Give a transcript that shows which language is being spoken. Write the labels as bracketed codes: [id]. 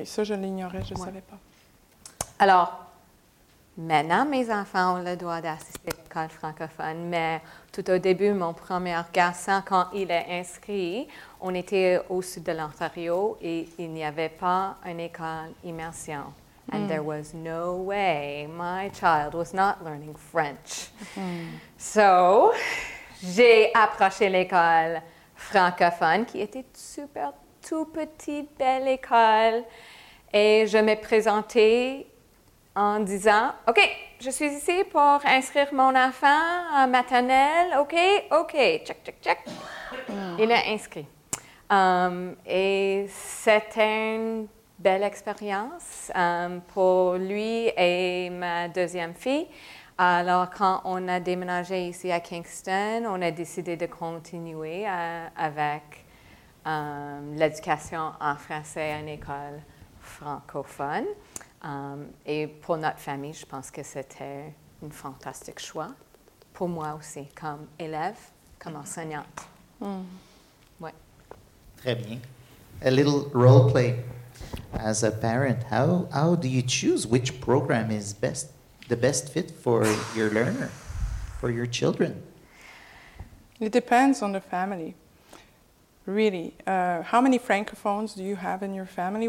[fr] OK, ça, je l'ignorais, je ne savais pas. Alors, maintenant, mes enfants ont le droit d'assister à l'école francophone, mais tout au début, mon premier garçon, quand il est inscrit, on était au sud de l'Ontario et il n'y avait pas une école immersion. [en] And there was no way my child was not learning French. [fr] So, j'ai approché l'école francophone, qui était une super, tout petite, belle école. Et je m'ai présentée en disant, « OK, je suis ici pour inscrire mon enfant à maternelle. OK, OK, check, check, check. » Il est inscrit. Et c'était une belle expérience pour lui et ma deuxième fille. Alors, quand on a déménagé ici à Kingston, on a décidé de continuer avec l'éducation en français à une école francophone. Et pour notre famille, je pense que c'était un fantastique choix. Pour moi aussi, comme élève, comme enseignante. Mm. Ouais. Très bien. [en] A little role play. As a parent, how do you choose which program is best, the best fit for your learner, for your children? It depends on the family, really. How many francophones do you have in your family?